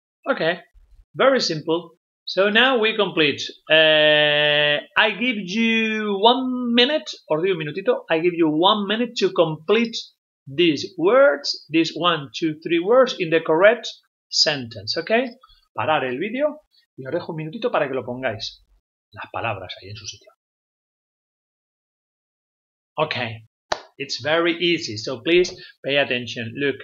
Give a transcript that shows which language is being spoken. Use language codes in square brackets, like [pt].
[en] Okay, very simple. So now we complete. I give you 1 minute, or do you minutito? I give you 1 minute to complete these words, these 1, 2, 3 words in the correct sentence, okay? [es] Parar el vídeo y os dejo un minutito para que lo pongáis las palabras ahí en su sitio. [en] Okay, it's very easy, so please pay attention.